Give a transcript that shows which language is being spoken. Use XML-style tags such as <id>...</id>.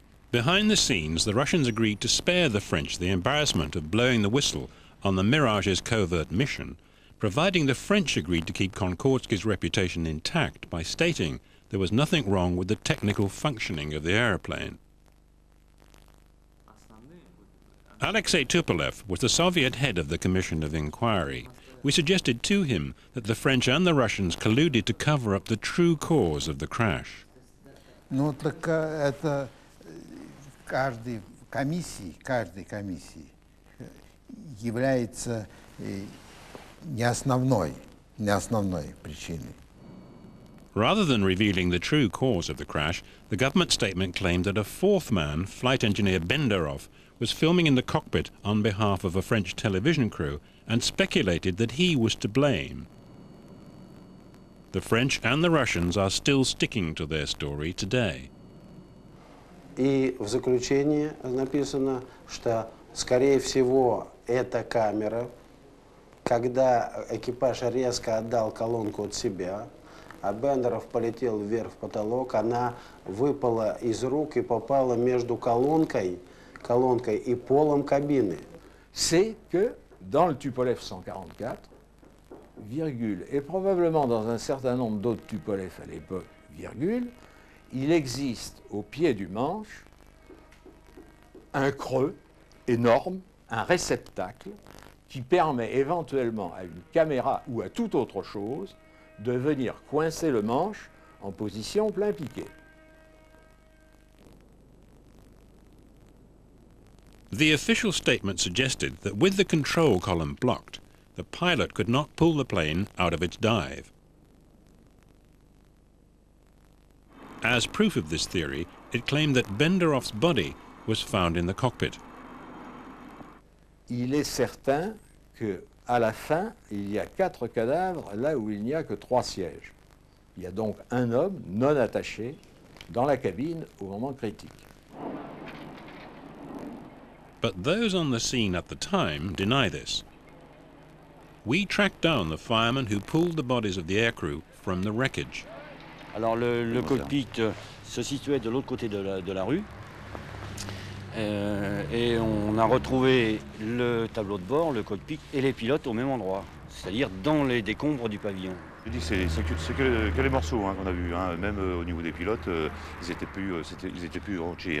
<en>Behind the scenes, the Russians agreed to spare the French the embarrassment of blowing the whistle on the Mirage's covert mission, providing the French agreed to keep Konkordski's reputation intact by stating there was nothing wrong with the technical functioning of the aeroplane. Alexei Tupolev was the Soviet head of the Commission of Inquiry. We suggested to him that the French and the Russians colluded to cover up the true cause of the crash.</en> <ru>Ну так это каждой комиссии является не основной причиной.</ru> <en>Rather than revealing the true cause of the crash, the government statement claimed that a fourth man, flight engineer Benderov, was filming in the cockpit on behalf of a French television crew and speculated that he was to blame. The French and the Russians are still sticking to their story today.</en> <ru>И в заключении написано, что скорее всего эта камера, когда экипаж резко отдал колонку от себя, а Бендеров полетел вверх в потолок, она выпала из рук и попала между колонкой и полом кабины.</ru> <fr>C'est que dans le Tupolev 144, virgule, et probablement dans un certain nombre d'autres Tupolev à l'époque, virgule, il existe au pied du manche un creux énorme, un réceptacle qui permet éventuellement à une caméra ou à toute autre chose de venir coincer le manche en position plein piqué.</fr> <en>The official statement suggested that with the control column blocked, the pilot could not pull the plane out of its dive. As proof of this theory, it claimed that Benderov's body was found in the cockpit.</en> <fr>Il est certain que à la fin, il y a 4 cadavres là où il n'y a que 3 sièges. Il y a donc un homme non attaché dans la cabine au moment critique.</fr> <en>But those on the scene at the time deny this. We tracked down the fireman who pulled the bodies of the aircrew from the wreckage.</en> <fr>Alors le cockpit se situait de l'autre côté de la rue. Et on a retrouvé le tableau de bord, le cockpit et les pilotes au même endroit, c'est-à-dire dans les décombres du pavillon. Je dis, c'est que les morceaux hein, qu'on a vus, hein. Même au niveau des pilotes, ils étaient plus entiers.</fr>